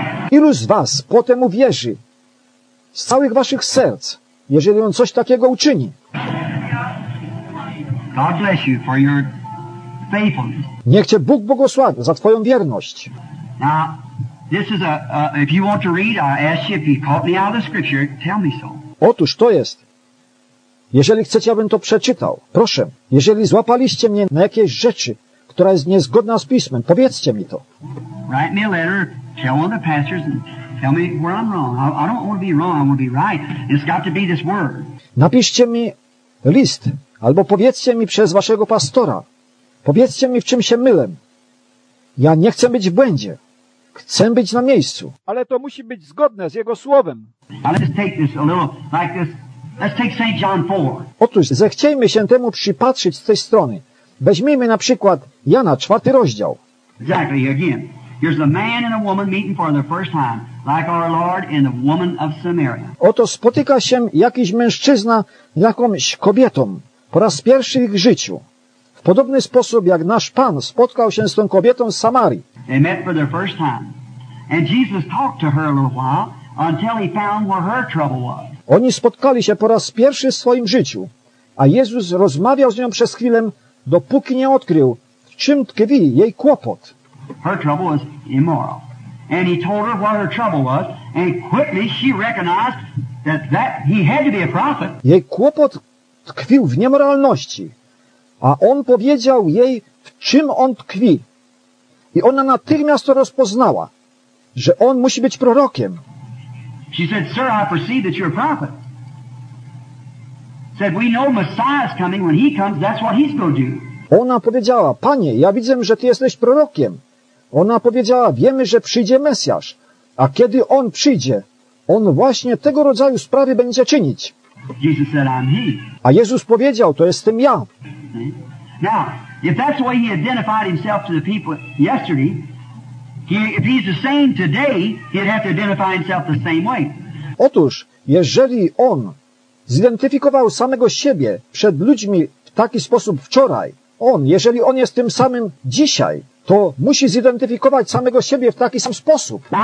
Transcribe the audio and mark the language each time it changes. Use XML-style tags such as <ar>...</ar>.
<pl>Ilu z was potem uwierzy z całych waszych serc, jeżeli on coś takiego uczyni?</pl> <en>God bless you for your faithfulness.</en> <pl>Niech cię Bóg błogosławi za twoją wierność.</pl> <en>Now, this is if you want to read, I ask you if you caught me out of the scripture, tell me so.</en> <pl>Otóż to jest. Jeżeli chcecie, abym to przeczytał, proszę, jeżeli złapaliście mnie na jakiejś rzeczy, która jest niezgodna z Pismem, powiedzcie mi to.</pl> <en>Write me a letter, tell one of the pastors and tell me where I'm wrong. I don't want to be wrong, I want to be right. It's got to be this word.</en> <pl>Napiszcie mi list, albo powiedzcie mi przez waszego pastora. Powiedzcie mi, w czym się mylę. Ja nie chcę być w błędzie. Chcę być na miejscu. Ale to musi być zgodne z jego słowem.</pl> <en>Ale just take this a little like this. Let's take St. John 4.</en> <pl>Otóż zechciejmy się temu przypatrzyć z tej strony. Weźmijmy na przykład Jana, 4 rozdział.</pl> <en>Exactly, again. Here's the man and a woman meeting for the first time, like our Lord and the woman of Samaria.</en> <pl>Oto spotyka się jakiś mężczyzna z jakąś kobietą po raz pierwszy w ich życiu. W podobny sposób jak nasz Pan spotkał się z tą kobietą z Samarii.</pl> <en>They met for the first time. And Jesus talked to her a little while until he found where her trouble was.</en> <pl>Oni spotkali się po raz pierwszy w swoim życiu, a Jezus rozmawiał z nią przez chwilę, dopóki nie odkrył, w czym tkwi jej kłopot.</pl> <en>Her trouble was immoral. And he told her what her trouble was, and quickly she recognized that he had to be a prophet.</en> <pl>Jej kłopot tkwił w niemoralności, a on powiedział jej, w czym on tkwi. I ona natychmiast rozpoznała, że on musi być prorokiem.</pl> <en>She said, "Sir, I perceive that you're a prophet." Said, "We know Messiah's coming. When he comes, that's what he's going to do."</en> <pl>Ona powiedziała, panie, ja widzę, że ty jesteś prorokiem. Ona powiedziała, wiemy, że przyjdzie Mesjasz. A kiedy on przyjdzie, on właśnie tego rodzaju sprawy będzie czynić.</pl> <en>Jesus said, I'm he.</en> <pl>A Jezus powiedział, to jestem ja.</pl> <en>Now, if that's the way he identified himself to the people yesterday, if he's the same today, he'd have to identify himself the same way.</en> <pl>Otóż, jeżeli on zidentyfikował samego siebie przed ludźmi w taki sposób wczoraj, on, jeżeli on jest tym samym dzisiaj, to musi zidentyfikować samego siebie w taki sam sposób.</pl>